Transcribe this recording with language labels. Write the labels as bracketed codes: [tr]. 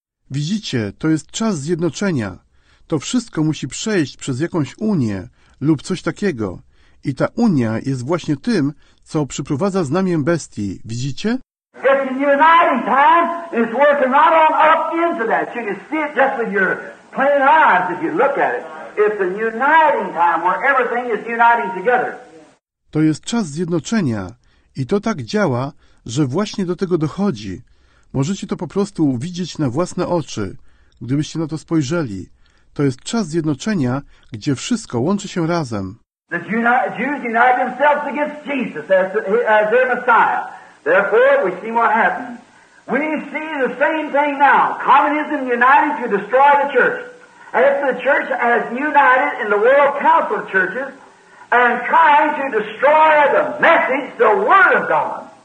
[pl] Widzicie, to jest czas zjednoczenia. To wszystko musi przejść przez jakąś unię lub coś takiego. I ta unia jest właśnie tym, co przyprowadza znamię bestii. Widzicie? [en] It's a uniting time. It's working right on up into that. You can see it just with your plain eyes if you look at it. It's a uniting time where everything is uniting together. [pl] To jest czas zjednoczenia i to tak działa, że właśnie do tego dochodzi. Możecie to po prostu widzieć na własne oczy, gdybyście na to spojrzeli. To jest czas zjednoczenia, gdzie wszystko łączy się razem. [en] The Jews unite themselves against Jesus as their Messiah. Therefore, we see what happened. We see the same thing now. Communism united to destroy the church. And if the church has united in the World Council of Churches and trying to destroy the message, the Word of God.